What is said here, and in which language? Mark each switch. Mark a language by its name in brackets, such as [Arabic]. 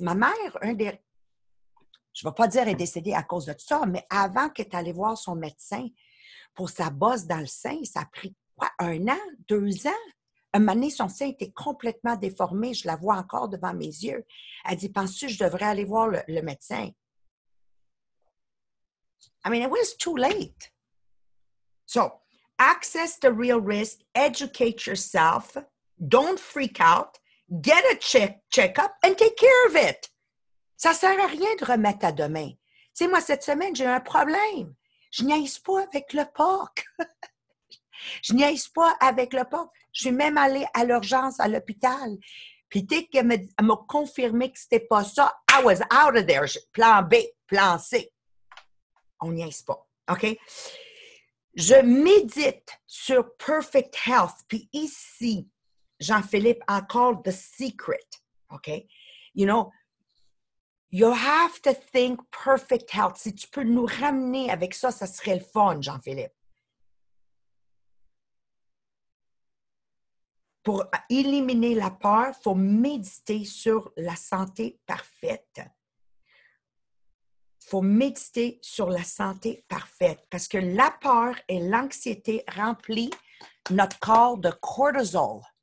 [French] Ma mère, je ne vais pas dire qu'elle est décédée à cause de ça, mais avant qu'elle allait voir son médecin pour sa bosse dans le sein, ça a pris quoi? Un an? Deux ans? Un moment donné, son sein était complètement déformé. Je la vois encore devant mes yeux. Elle dit, penses-tu que je devrais aller voir le médecin? [English] I mean, it was too late. So, access the real risk, educate yourself, don't freak out, get a check-up and take care of it. [French] Ça sert à rien de remettre à demain. Tu sais, moi, cette semaine, j'ai un problème. Je niaise pas avec le porc. Je suis même allée à l'urgence, à l'hôpital. Puis dès qu'elle m'a confirmé que c'était pas ça, [English] I was out of there. [French] Plan B, plan C. On niaise pas. OK? Je médite sur [English] perfect health. [French] Puis ici, [English] Jean-Philippe, I call the secret, okay? You know, you have to think perfect health. [French] Si tu peux nous ramener avec ça, ça serait le fun, Jean-Philippe. Pour éliminer la peur, il faut méditer sur la santé parfaite. Parce que la peur et l'anxiété remplissent notre corps de cortisol.